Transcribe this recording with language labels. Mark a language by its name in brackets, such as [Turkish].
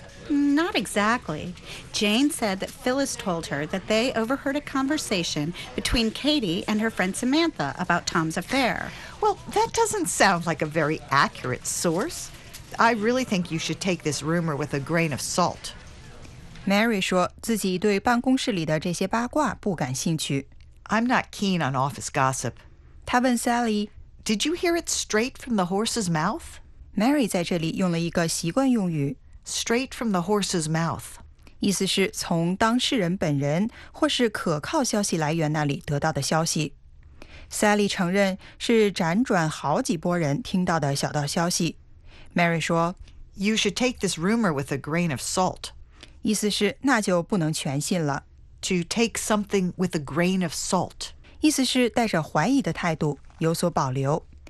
[English] Not exactly. Jane said that Phyllis told her that they overheard a conversation between Katie and her friend Samantha about Tom's affair. Well, that doesn't sound like a very accurate source. I really think you should take this rumor with a grain of salt. [Chinese] Mary 说自己对办公室里的这些八卦不感兴趣。 [English] I'm not keen on office gossip. [Chinese] 她问 Sally, [English] Did you hear it straight from the horse's mouth? [Chinese] Mary 在这里用了一个习惯用语。 [English] Straight from the horse's mouth. [Chinese] 意思是从当事人本人或是可靠消息来源那里得到的消息。 Sally 承认是辗转好几波人听到的小道消息。Mary 说 [English] You should take this rumor with a grain of salt. [Chinese] 意思是那就不能全信了。 [English] To take something with a grain of salt. [Chinese] 意思是带着怀疑的态度有所保留。